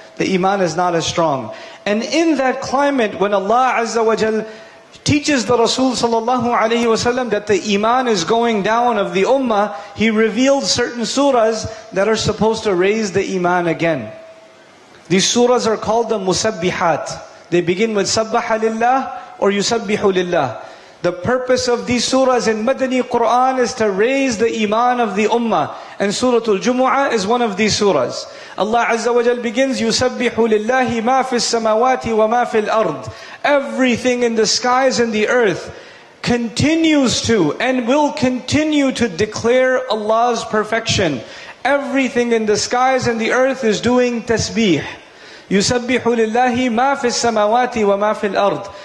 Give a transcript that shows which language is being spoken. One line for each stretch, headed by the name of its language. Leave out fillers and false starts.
English: The iman is not as strong. And in that climate, when Allah Azza wa Jal teaches the Rasul sallallahu alayhi wa sallam that the iman is going down of the ummah, he revealed certain surahs that are supposed to raise the iman again. These surahs are called the musabbihat. They begin with sabbaha lillah or yusabbihu lillah. The purpose of these surahs in Madani Qur'an is to raise the iman of the ummah. And Suratul Jumu'ah is one of these surahs. Allah Azza wa Jal begins,
Arabic: يُسَبِّحُ لِلَّهِ مَا فِي السَّمَوَاتِ وَمَا فِي الْأَرْضِ.
English: Everything in the skies and the earth continues to and will continue to declare Allah's perfection. Everything in the skies and the earth is doing tasbih.
Arabic: يُسَبِّحُ لِلَّهِ مَا فِي السَّمَوَاتِ وَمَا فِي الْأَرْضِ.